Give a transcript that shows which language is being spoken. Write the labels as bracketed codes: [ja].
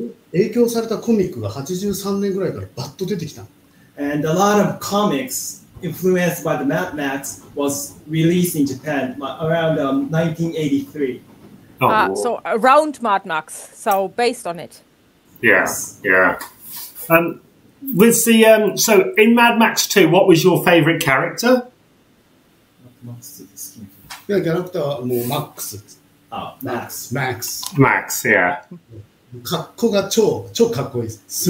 [ja] 影響されたコミックが83年ぐらいからバッと出てきた。 [en] And a lot of comics influenced by the Mad Max was released in Japan around 1983. So around Mad Max, so based on it. Yeah. With the so in Mad Max 2, what was your favorite character? Mad Max 2 is skin. [ja] キャラクターはもうマックス。あ、マックス。マックス。マックス、yeah。格好が超かっこいいです。